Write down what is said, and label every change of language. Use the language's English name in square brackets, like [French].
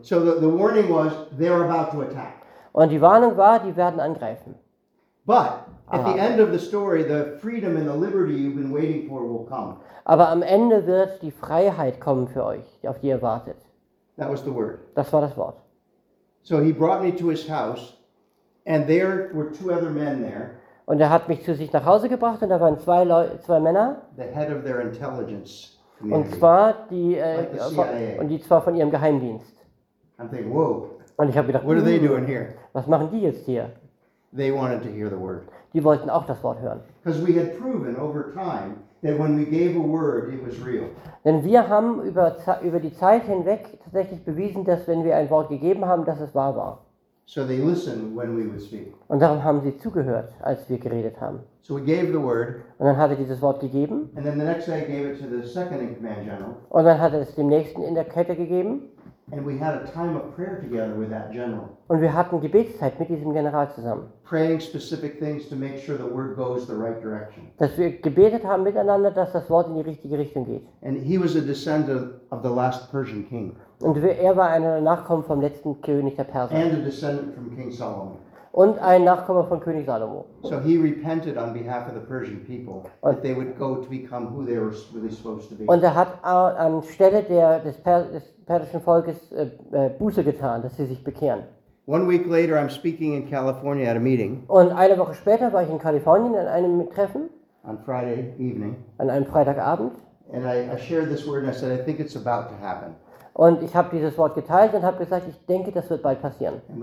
[English] So the warning was, they're about to attack. [German] Und die Warnung war, die werden angreifen. [English] But at the end of the story, the freedom and the liberty you've been waiting for will come. [German] Aber am Ende wird die Freiheit kommen für euch, auf die ihr wartet. [English] That was the word. [German] Das war das Wort. [English] So he brought me to his house, and there were two other men there. [German] Und hat mich zu sich nach Hause gebracht, und da waren zwei Männer. [English] The head of their intelligence. [German] Und zwar die von ihrem Geheimdienst. [English] I'm thinking, whoa. [German] Und ich habe gedacht, [English] what are they doing here? [German] Was machen die jetzt hier? [English] They wanted to hear the word. [German] Die wollten auch das Wort hören. [English] Because we had proven over time that when we gave a word, it was real. [German] Denn wir haben über die Zeit hinweg tatsächlich bewiesen, dass wenn wir ein Wort gegeben haben, dass es wahr war. [English] So they listened when we would speak. [German] Und darum haben sie zugehört, als wir geredet haben. [English] So we gave the word. [German] Und dann hat er dieses Wort gegeben. [English] And then the next day I gave it to the second in command general. [German] Und dann hat er es dem nächsten in der Kette gegeben. [English] And we had a time of prayer together with that general. [German] Und wir hatten Gebetszeit mit diesem General zusammen. [English] Praying specific things to make sure the word goes the right direction. [German] Dass wir gebetet haben miteinander, dass das Wort in die richtige Richtung geht. [English] And he was a descendant of the last Persian king. [German] Und er war ein Nachkomme vom letzten König der Perser. [English] And a descendant from King Solomon. [German] Und ein Nachkomme von König Salomo. [English] So he repented on behalf of the Persian people that they would go to become who they were really supposed to be. [German] Und hat anstelle des persischen Volkes Buße getan, dass sie sich bekehren. [English] One week later I'm speaking in California at a meeting. [German] Und eine Woche später war ich in Kalifornien in einem Treffen. [English] On Friday evening. [German] An einem Freitagabend. [English] And I shared this word and I said I think it's about to happen. [German] Und ich habe dieses Wort geteilt und habe gesagt, ich denke, das wird bald passieren.